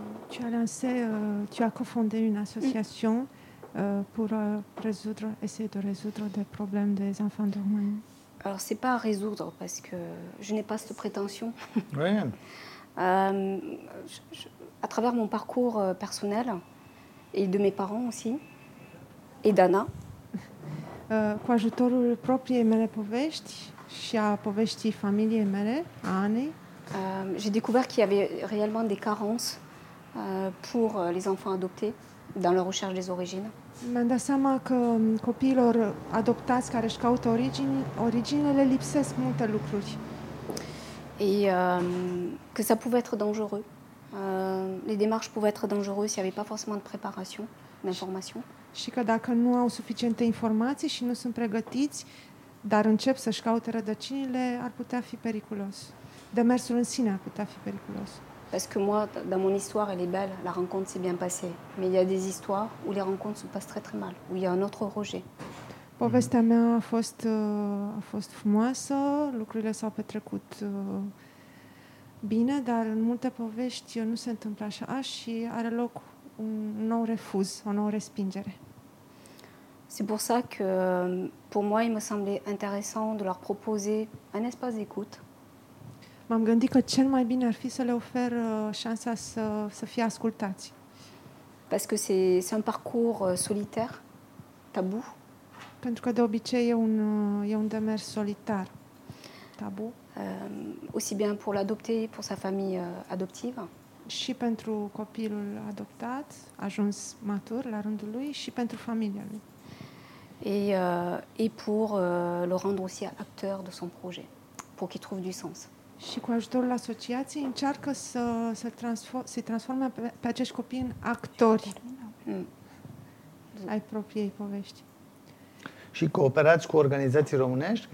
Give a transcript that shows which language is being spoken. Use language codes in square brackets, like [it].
[fr] Tu as cofondé une association pour résoudre, essayer de résoudre des problèmes des enfants de Roumanie. Alors, c'est pas à résoudre parce que je n'ai pas cette prétention. Oui. À travers mon parcours personnel et de mes parents aussi, et d'Anna. [ro] Cu ajutorul propriei mele povești și a poveștii familiei mele, a Anei. [fr] J'ai découvert qu'il y avait réellement des carences pour les enfants adoptés dans leur recherche des origines. [ro] M-am dat seama că copiilor adoptați care își caută origine le lipsesc multe lucruri. [fr] Et que ça pouvait être dangereux. Les démarches pouvaient être dangereuses s'il n'y avait pas forcément de préparation, d'information. [ro] Și că dacă nu au suficiente informații și nu sunt pregătiți, dar încep să-și caute rădăcinile, ar putea fi periculos. Demersul în sine ar putea fi periculos. [fr] Parce que moi, dans mon histoire, elle est belle, la rencontre s'est bien passée. Mais il y a des histoires où les rencontres se passent très très mal, où il y a un autre rejet. [ro] Povestea mea a fost frumoasă, lucrurile s-au petrecut bine, dar în multe povești nu se întâmplă așa și are loc un nou refuz, o nouă respingere. [fr] C'est pour ça que, pour moi, il me semblait intéressant de leur proposer un espace d'écoute. [ro] M-am gândit că cel mai bine ar fi să le ofer șansa să fie ascultați. [fr] Parce que c'est un parcours solitaire, tabou. [ro] Pentru că de obicei e un demers solitar, tabou. [fr] Aussi bien pour l'adopter, pour sa famille adoptive. [ro] Și pentru copilul adoptat, ajuns matur la rândul lui, și pentru familia lui. [fr] Et pour le rendre aussi acteur de son projet, pour qu'il trouve du sens. [ro] Și cu ajutorul asociației încearcă să-i transforme pe acești copii în actori ai propriei povești. Și cooperați cu organizații românești?